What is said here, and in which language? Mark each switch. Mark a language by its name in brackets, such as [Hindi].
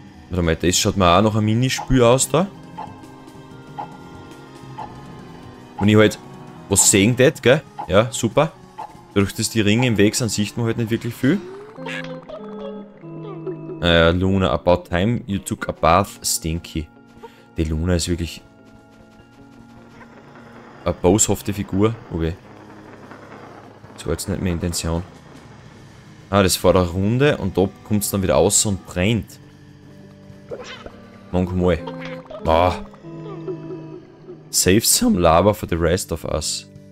[German] Warte mal, das schaut mir auch noch ein Minispiel aus da. Wenn ich halt was sehen tät, gell? Ja, super. Dadurch, dass die Ringe im Weg sind, sieht man halt nicht wirklich viel. [English] Luna, about time you took a bath, Stinky. [German] Die Luna ist wirklich eine boshafte Figur. Okay. Das war jetzt nicht meine Intention. Ah, das fährt eine Runde und da kommt es dann wieder raus und brennt. Manchmal. Ah. [English] Save some lava for the rest of us.